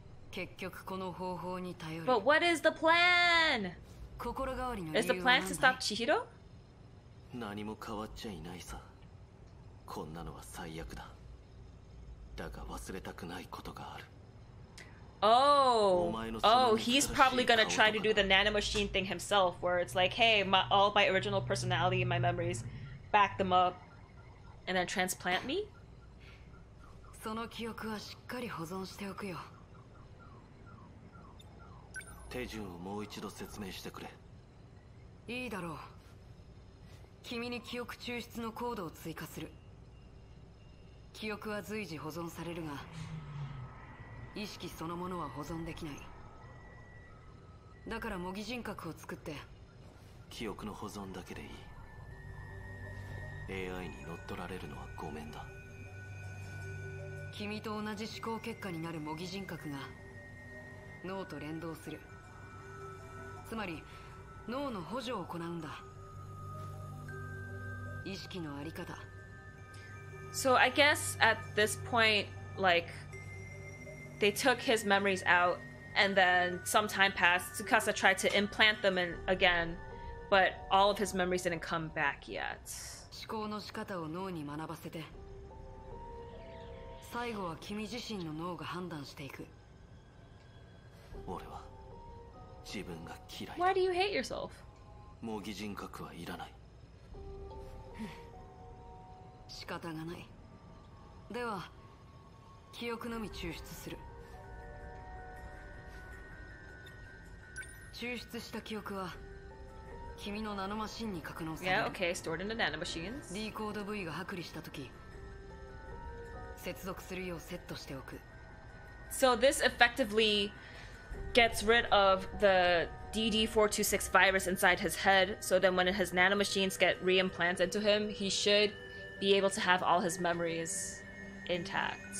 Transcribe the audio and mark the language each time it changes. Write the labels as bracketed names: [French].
[Japanese] 結局この方法に頼る。 [English] But what is the plan? [Japanese] 心変わりの理由は何？ [English] Is the plan to stop Chihiro? [Japanese] 何も変わっちゃいないさ。こんなのは最悪だ。だが忘れたくないことがある。 [English] Oh, he's probably gonna try to do the nanomachine thing himself, where it's like, hey, my, all my original personality and my memories, back them up, and then transplant me? [Japanese] その記憶はしっかり保存しておくよ。手順をもう一度説明してくれ。いいだろう。君に記憶抽出のコードを追加する。記憶は随時保存されるが、意識そのものは保存できない。だから模擬人格を作って。記憶の保存だけでいい。 AI に乗っ取られるのはごめんだ。君と同じ思考結果になる模擬人格が脳と連動する。つまり脳の補助を行うんだ。意識のあり方。 [English] So I guess at this point, like, they took his memories out, and then some time passed. Tsukasa tried to implant them in again, but all of his memories didn't come back yet. [Japanese] 思考の仕方を脳に学ばせて、最後は君自身の脳が判断していく。俺は。自分が嫌いだ。 [English] Why do you hate yourself? [Japanese] 模擬人格はいらない。仕方がない。では、記憶のみ抽出する。抽出した記憶は、君のナノマシンに格納される。 [English] Yeah, okay, stored in the nanomachines. [Japanese] ディコード部位が剥離したとき、接続するようセットしておく。 [English] So this effectively... gets rid of the DD426 virus inside his head, so then when his nanomachines get re-implanted into him, he should be able to have all his memories intact.